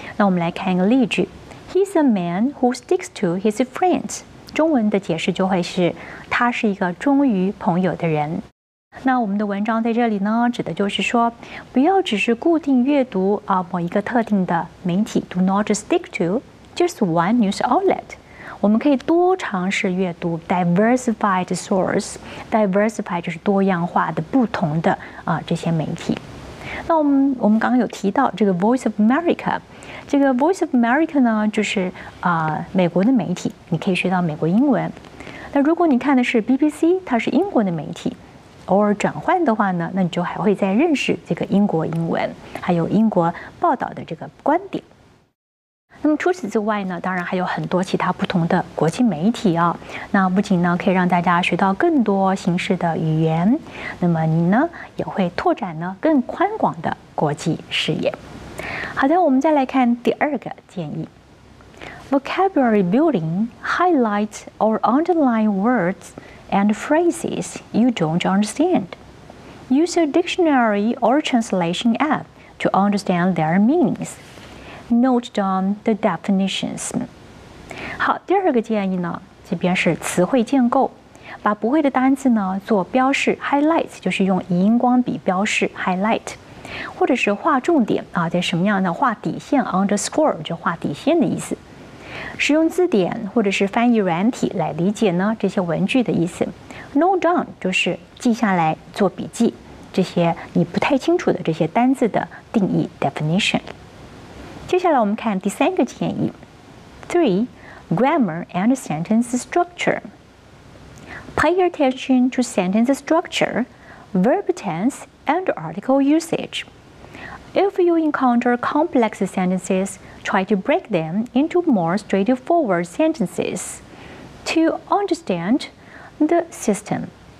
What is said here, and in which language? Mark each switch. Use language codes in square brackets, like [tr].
[zh] 那我们来看一个例句， [en] He's a man who sticks to his friends. [zh] 中文的解释就会是他是一个忠于朋友的人。那我们的文章在这里呢，指的就是说不要只是固定阅读、某一个特定的媒体。 [en] Do not stick to just one news outlet. [zh] 我们可以多尝试阅读 [en] diversified source. [zh] Diversified 就是多样化的、不同的、这些媒体。那我们刚刚有提到这个 Voice of America， 这个 Voice of America 呢，就是美国的媒体，你可以学到美国英文。那如果你看的是 BBC， 它是英国的媒体，偶尔转换的话呢，那你就还会再认识这个英国英文，还有英国报道的这个观点。那么除此之外呢，当然还有很多其他不同的国际媒体啊。那不仅呢可以让大家学到更多形式的语言，那么你呢也会拓展呢更宽广的国际视野。好的，我们再来看第二个建议。 [en] Vocabulary building highlights or underline words and phrases you don't understand. Use a dictionary or translation app to understand their meanings. Note down the definitions. [zh] 好，第二个建议呢，这边是词汇建构，把不会的单词呢做标示 ，highlight 就是用荧光笔标示 highlight， 或者是画重点啊，在什么样的画底线 underscore 就画底线的意思。使用字典或者是翻译软体来理解呢这些文句的意思。 Note down 就是记下来做笔记，这些你不太清楚的这些单字的定义 definition。接下来我们看第三个建议 3. [en] Grammar and sentence structure. Pay attention to sentence structure, verb tense, and article usage. If you encounter complex sentences, try to break them into more straightforward sentences to understand the system.